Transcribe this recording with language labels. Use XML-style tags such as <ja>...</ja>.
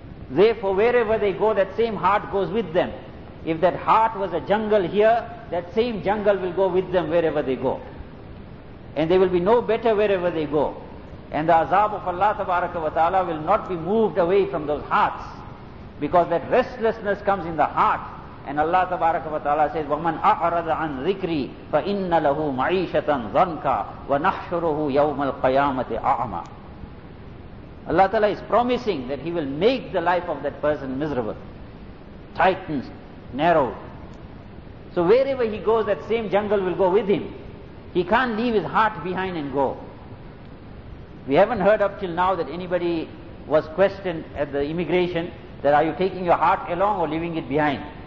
<en>Therefore, wherever they go, that same heart goes with them. If that heart was a jungle here, that same jungle will go with them wherever they go. And they will be no better wherever they go. And the azab of Allah tabaraka wa ta'ala will not be moved away from those hearts, because that restlessness comes in the heart. And Allah tabaraka wa ta'ala says,</en> <ar>وَمَنْ أَعْرَضَ عَنْ ذِكْرِي فَإِنَّ لَهُ مَعِيشَةً ظَنْكَ وَنَحْشُرُهُ يَوْمَ الْقَيَامَةِ أَعْمَى.</ar> <en>Allah ta'ala is promising that He will make the life of that person miserable, tightened, narrow. So wherever he goes, that same jungle will go with him. He can't leave his heart behind and go. We haven't heard up till now that anybody was questioned at the immigration that are you taking your heart along or leaving it behind?</en>